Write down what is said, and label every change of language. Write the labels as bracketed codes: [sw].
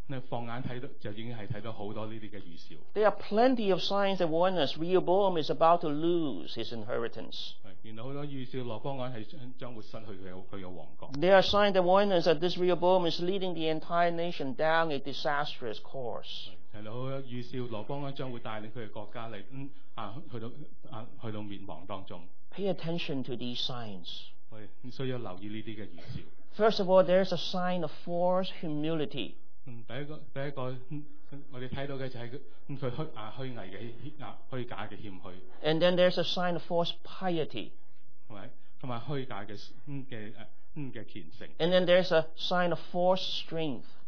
[zh] 放眼看就已经看到很多这些预兆。 [en] There are plenty of signs that warn us Rehoboam is about to lose his inheritance. [zh] 原来很多预兆，罗波安是将会失去他的王国。 [en] There are signs that warn us that this Rehoboam is leading the entire nation down a disastrous course. [zh] 很多预兆，罗波安将会带领他的国家去到灭亡当中。 [en] Pay attention to these signs. [zh] 需要留意这些预兆。 [en] First of all, there is a sign of forced humility. [zh] 第一个我们看到的就是他虚伪的虚假的谦虚。 [en] And then there is a sign of forced piety. [zh] 还有虚假 的虔诚。 [en] And then there is a sign of forced strength.